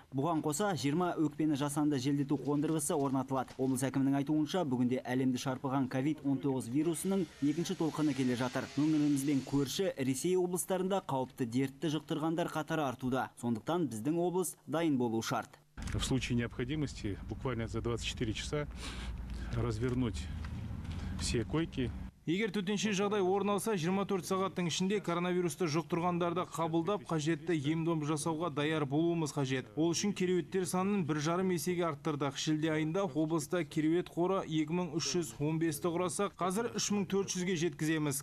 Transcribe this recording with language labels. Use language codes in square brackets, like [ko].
[kk] Бұған қоса 20 өкпені жасанды желдету қондырғысы орнатылады. Облыс әкімінің айтуынша, бүгінде әлемді шарпыған COVID-19 вирусының екінші толқыны келе жатыр. Өңірімізбен көрші Ресей облыстарында қауіпті дертті жұқтырғандар қатары артуда. Сондықтан біздің облыс дайын болуы шарт. [ru] В случае необходимости буквально за 24 часа развернуть все койки. [kk] Егер төтенше жағдай орын алса, 24 сағаттың ішінде коронавирусты жұқтырғандарды қабылдап, қажетті ем-дом жасауға даяр болуымыз қажет. Ол үшін кереуеттер санын 1,5 есеге арттырдық. Шілде айында облыста кереует қоры 2315-ті құраса, қазір 3400-ге жеткіземіз.